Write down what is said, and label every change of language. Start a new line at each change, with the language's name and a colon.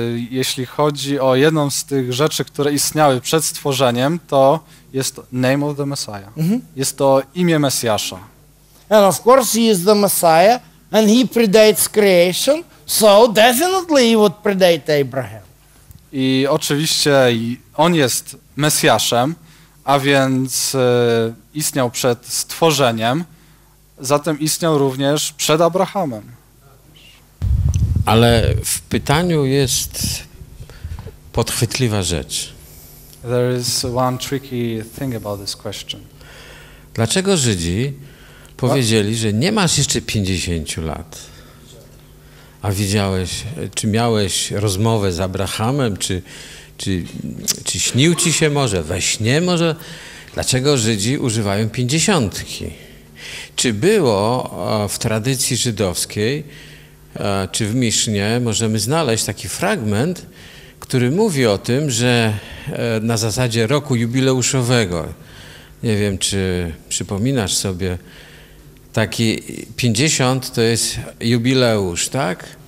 Polish: Jeśli chodzi o jedną z tych rzeczy, które istniały przed stworzeniem, to jest
English: name of the Messiah.
Polish: Mm-hmm. Jest to imię Mesjasza.
English: And of course he is the Messiah and he predates creation, so definitely he would predate Abraham.
Polish: I oczywiście on jest Mesjaszem, a więc istniał przed stworzeniem, zatem istniał również przed Abrahamem. Ale w pytaniu jest podchwytliwa rzecz.
English: There is one tricky thing about this question.
Polish: Dlaczego Żydzi powiedzieli, że nie masz jeszcze 50 lat, a widziałeś, czy miałeś rozmowę z Abrahamem, czy śnił ci się może, we śnie może? Dlaczego Żydzi używają pięćdziesiątki? Czy było w tradycji żydowskiej, czy w Misznie możemy znaleźć taki fragment, który mówi o tym, że na zasadzie roku jubileuszowego, nie wiem, czy przypominasz sobie, taki 50 to jest jubileusz, tak?